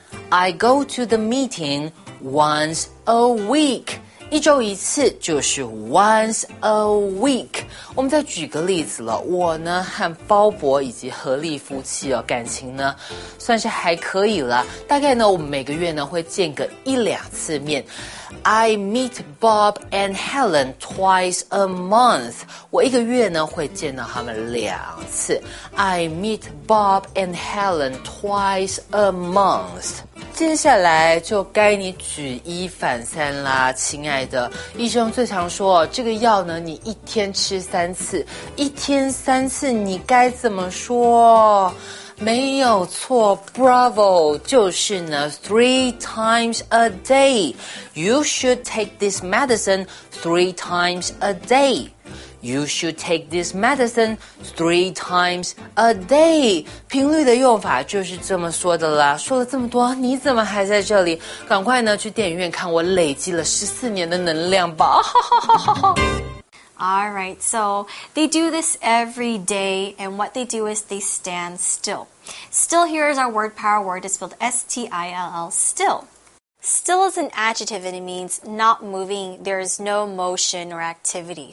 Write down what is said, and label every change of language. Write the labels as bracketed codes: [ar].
[en] I go to the meeting once a week. [zh] 一周一次就是 [en] once a week。 [zh] 我们再举个例子了，我呢和鲍勃以及何丽夫妻哦，感情呢算是还可以了。大概呢，我们每个月呢会见个一两次面。 [en] I meet Bob and Helen twice a month. [zh] 我一个月呢会见到他们两次。 [en] I meet Bob and Helen twice a month. [zh] 接下来就该你举一反三啦，亲爱的。医生最常说，这个药呢，你一天吃三次，一天三次，你该怎么说？没有错 [en] ,Bravo, 就是呢 ,three times a day. You should take this medicine three times a day. You should take this medicine three times a day. [zh] 频率的用法就是这么说的啦。说了这么多，你怎么还在这里？赶快呢去电影院看我累积了14年的能量吧。哈哈哈哈哈。 [en] All right, so they do this every day, and what they do is they stand still. Still, here is our word power word. It's spelled S-T-I-L-L, still. Still is an adjective, and it means not moving. There is no motion or activity.